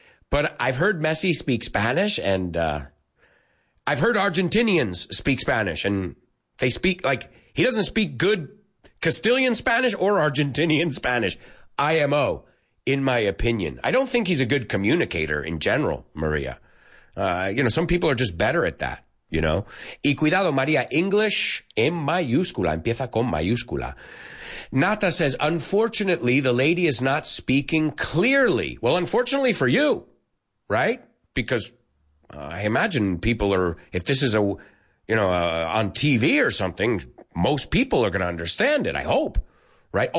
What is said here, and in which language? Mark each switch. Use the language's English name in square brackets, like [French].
[English] But I've heard Messi speak Spanish, and I've heard Argentinians speak Spanish, and they speak, like, he doesn't speak good Castilian Spanish or Argentinian Spanish. IMO, in my opinion. I don't think he's a good communicator in general, Maria. You know, some people are just better at that, you know? [Spanish] Y cuidado, Maria, English en mayúscula, empieza con mayúscula. [English] Nata says, unfortunately, the lady is not speaking clearly. Well, unfortunately for you, right? Because I imagine people are, if this is a, you know, on TV or something, most people are going to understand it, I hope, right?